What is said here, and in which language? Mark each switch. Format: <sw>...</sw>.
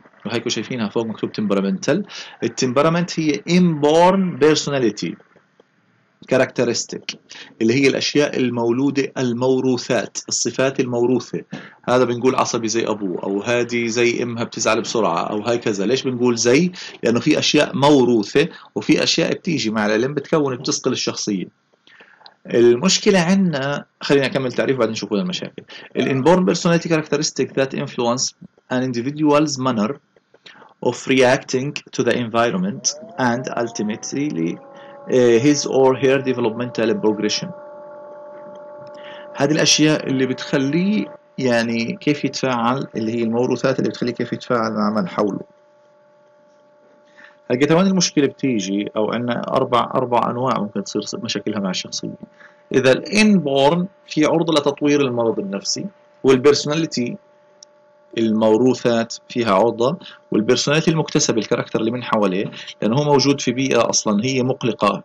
<ar>وهيكوا شايفينها فوق مكتوب temperamental. التمبرمنت هي inborn personality characteristic، اللي هي الأشياء المولودة الموروثات، الصفات الموروثة. هذا بنقول عصبي زي أبوه، أو هادي زي أمها بتزعل بسرعة، أو هكذا. ليش بنقول زي؟ لأنه في أشياء موروثة وفي أشياء بتيجي مع العلم بتكون بتصقل الشخصية. المشكلة عندنا، خلينا نكمل تعريف بعد نشوف وين المشاكل.</ar> <en>الـ inborn personality characteristic that influence an individual's manner of reacting to the environment and ultimately his or her developmental progression.</en> <ar>هذه الأشياء اللي بتخليه يعني كيف يتفاعل، اللي هي الموروثات اللي بتخليه كيف يتفاعل مع من حوله. هلقى كمان المشكلة بتيجي، أو عندنا أربع أنواع ممكن تصير مشاكلها مع الشخصية. إذا الـ inborn في عرضة لتطوير المرض النفسي، والـ personality الموروثات فيها عرضة، والبرسوناليتي المكتسب الكاركتر اللي من حواليه، لأنه هو موجود في بيئة أصلا هي مقلقة.</ar>